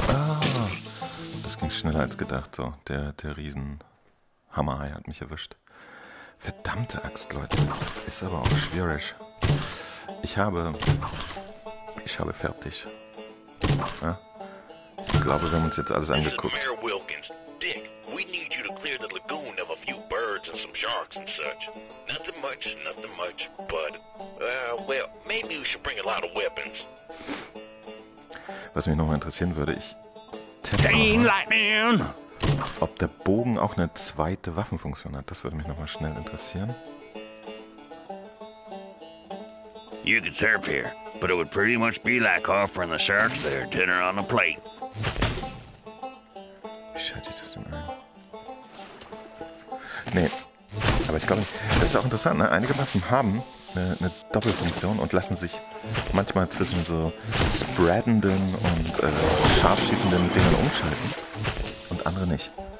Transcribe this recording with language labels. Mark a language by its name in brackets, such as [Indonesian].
[German] Ah, das ging schneller als gedacht. So, der Riesenhammerhai hat mich erwischt. Verdammte Axt, Leute. Ist aber auch schwierig. Ich habe fertig. Ja? Ich glaube, wir haben uns jetzt alles angeguckt. [English] Mayor Wilkins. Dick, we need you to clear the lagoon of a few birds and some sharks and such. Nothing much, but, well, maybe we should bring a lot of weapons. [German] Was mich nochmal interessieren würde, ich teste nochmal, ob der Bogen auch eine zweite Waffenfunktion hat. Das würde mich nochmal schnell interessieren. [English] You could surf here, but it would pretty much be like offering the sharks their dinner on a plate. [German] Wie schalte ich das denn ein? Nee, aber ich glaube, das ist auch interessant, ne? Einige Waffen haben eine Doppelfunktion und lassen sich manchmal zwischen so spreadenden und scharfschießenden Dingen umschalten und andere nicht.